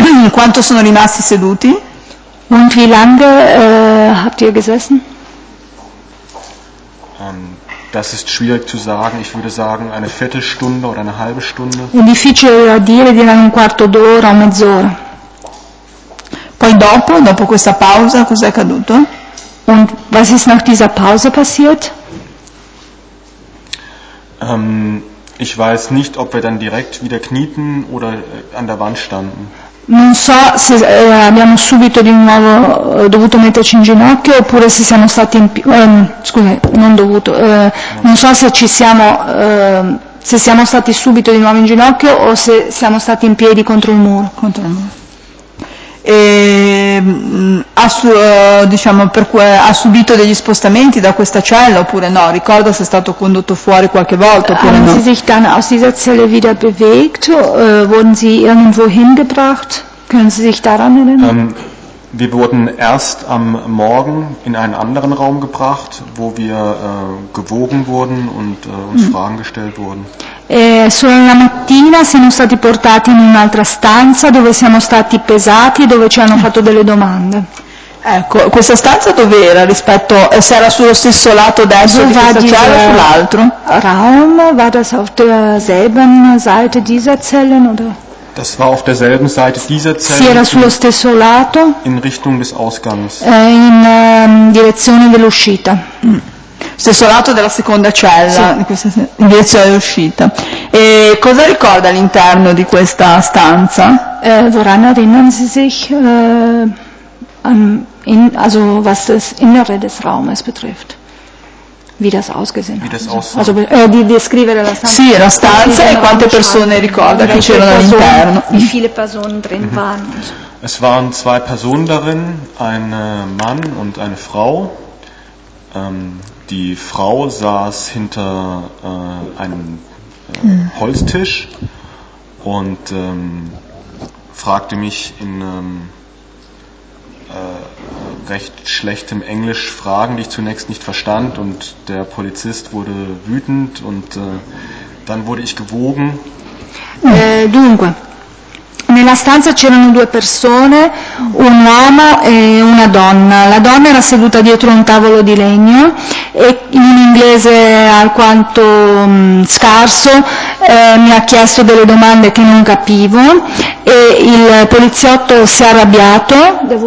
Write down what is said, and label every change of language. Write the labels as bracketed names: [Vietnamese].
[Italian] Quanto sono rimasti seduti? [German] Und wie lange habt ihr gesessen? Das ist schwierig zu sagen. Ich würde sagen eine Viertelstunde oder eine halbe Stunde. [Italian] È difficile da dire, direi un quarto d'ora o mezz'ora. Poi dopo questa pausa, cos'è accaduto? [German] Und was ist nach dieser Pause passiert? Ich weiß nicht, ob wir dann direkt wieder knieten oder an der Wand standen. [Italian] Non so se abbiamo subito di nuovo dovuto metterci in ginocchio oppure se siamo stati in se siamo stati subito di nuovo in ginocchio o se siamo stati in piedi contro il muro. E ha subito degli spostamenti da questa cella oppure no? Ricorda se è stato condotto fuori qualche volta oppure [German] haben [Italian] no? [German] Sie sich dann aus dieser Zelle wieder bewegt? Wurden Sie irgendwo hingebracht? Können Sie sich daran erinnern? Wir wurden erst am Morgen in einen anderen Raum gebracht, wo wir gewogen wurden und uns Fragen gestellt wurden. [Italian] Solo la mattina siamo stati portati in un'altra stanza dove siamo stati pesati e dove ci hanno fatto delle domande. Ecco, questa stanza dove era rispetto, se era sullo stesso lato destro di questa cella o sull'altro? [German] Raum, war das auf derselben Seite dieser Zellen oder? Das war auf derselben Seite dieser Zelle. [Italian] Si era sullo stesso lato. [German] In Richtung des Ausgangs. [Italian] In direzione dell'uscita. Stesso lato della seconda cella, in direzione dell'uscita. E cosa ricorda all'interno di questa stanza? [German] Woran erinnern Sie sich, also was das Innere des Raumes betrifft? Wie das ausgesehen hat. [Italian] Also, di descrivere la stanza. Sì, la stanza e quante persone ricorda che c'erano all'interno. [German] Wie viele Personen drin waren. Es waren zwei Personen darin, ein Mann und eine Frau. Die Frau saß hinter einem Holztisch und fragte mich in recht schlechtem Englisch Fragen, die ich zunächst nicht verstand, und der Polizist wurde wütend und dann wurde ich gewogen. [Italian] Dunque, nella stanza c'erano due persone, un uomo e una donna. La donna era seduta dietro un tavolo di legno e in un inglese alquanto scarso mi ha chiesto delle domande che non capivo e il poliziotto si è arrabbiato.